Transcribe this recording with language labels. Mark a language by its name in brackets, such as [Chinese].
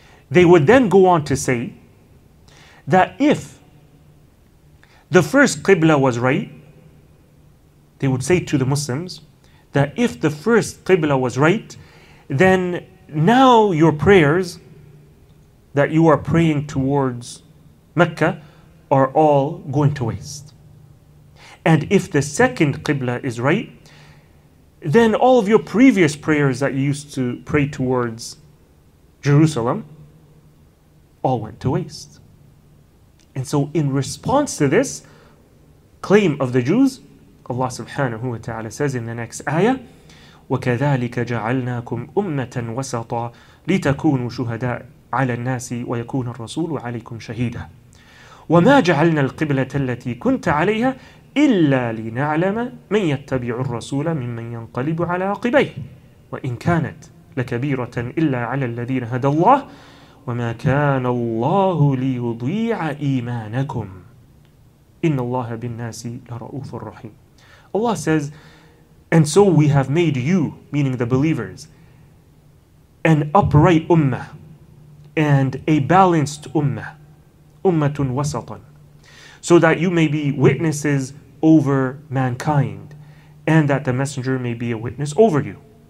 [English] They would then go on to say that if the first Qibla was right, they would say to the Muslims that if the first Qibla was right, then now your prayers that you are praying towards Mecca are all going to waste. And if the second Qibla is right, then all of your previous prayers that you used to pray towards Jerusalem all went to waste. And so in response to this claim of the Jews, Allah subhanahu wa ta'ala says in the next ayah, [Arabic] وَكَذَلِكَ جَعَلْنَاكُمْ أُمَّةً وَسَطًا لِتَكُونُوا شُهَدَاءَ عَلَى النَّاسِ وَيَكُونَ الرَّسُولُ عَلَيْكُمْ شَهِيدًا وَمَا جَعَلْنَا الْقِبْلَةَ الَّتِي كُنْتَ عَلَيْهَا إِلَّا لِنَعْلَمَ مَنْ يَتَّبِعُ الرَّسُولَ مِمَّنْ يَنْقَلِبُ عَلَىٰ عَقِبَيْهِ وَإِنْ كَانَتْ لَكَبِيرَةً إِلَّا عَلَىٰ الَّذِينَ هَدَى اللَّهُ وَمَا كَانَ اللَّهُ لِيُضِيعَ إِيمَانَكُمْ إِنَّ اللَّهَ بِالنَّاسِ لَرَؤُوفٌ رَحِيمٌ. [English] Allah says, and so we have made you, meaning the believers, an upright ummah and a balanced ummah, ummatun wasatan, so that you may be witnesses over mankind and that the messenger may be a witness over you.